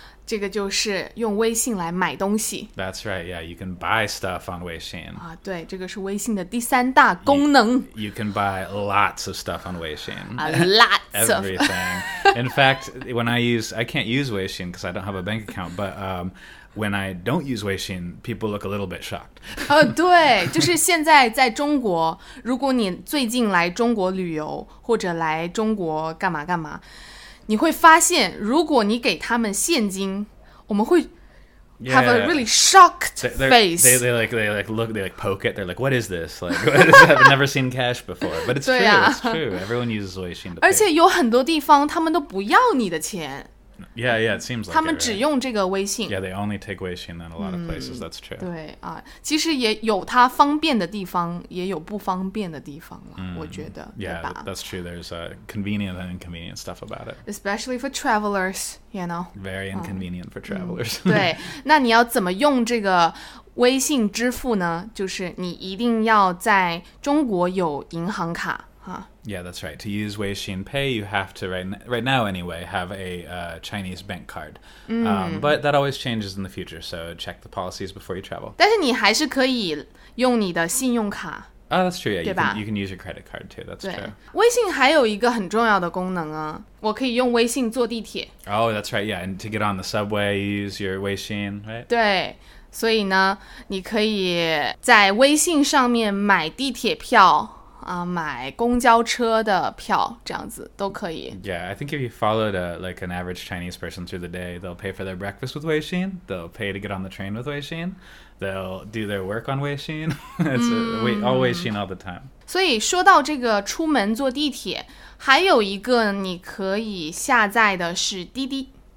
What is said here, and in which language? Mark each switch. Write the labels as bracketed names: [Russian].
[Chinese] 这个就是用微信来买东西。 [English] That's right, yeah, you can buy stuff on Weixin. [Chinese] 啊，对，这个是微信的第三大功能。 [English] You can buy lots of stuff on Weixin. Lots of. Everything. In fact, when I can't use Weixin because I don't have a bank account, but when I don't use Weixin, people look a little bit shocked. [Chinese] 对，就是现在在中国，如果你最近来中国旅游，或者来中国干嘛干嘛，你会发现如果你给他们现金我们会 [English] have a really shocked face. They poke it. They're like, what is this? Like, I've never seen cash before. But it's true, it's true. Everyone uses Weixin to pay. [Chinese] 而且有很多地方他们都不要你的钱。 [English] Yeah, yeah, it seems like [Chinese] 他们只用这个微信。 [English] Yeah, they only take Weixin in a lot of places, that's true. [Chinese] 对啊，其实也有它方便的地方，也有不方便的地方了，我觉得，对吧？ [English] Yeah, that's true. There's convenient and inconvenient stuff about it. Especially for travelers, you know. Very inconvenient for travelers. [Chinese] 对，那你要怎么用这个微信支付呢？就是你一定要在中国有银行卡。 [English] Yeah, that's right. To use Weixin Pay, you have to, right now anyway, have a Chinese bank card. But that always changes in the future, so check the policies before you travel. [Chinese] 但是你还是可以用你的信用卡。 [English] Oh, that's true, yeah. You can use your credit card too, that's true. [Chinese] 微信还有一个很重要的功能啊，我可以用微信坐地铁。 [English] Oh, that's right, yeah. And to get on the subway, you use your Weixin, right? [Chinese] 对。所以呢，你可以在微信上面买地铁票。买公交车的票这样子都可以。 [English] Yeah, I think if you followed an average Chinese person through the day, they'll pay for their breakfast with Weixin, they'll pay to get on the train with Weixin, they'll do their work on Weixin. It's all Weixin all the time. [Chinese] 所以说到这个出门坐地铁，还有一个你可以下载的是滴滴。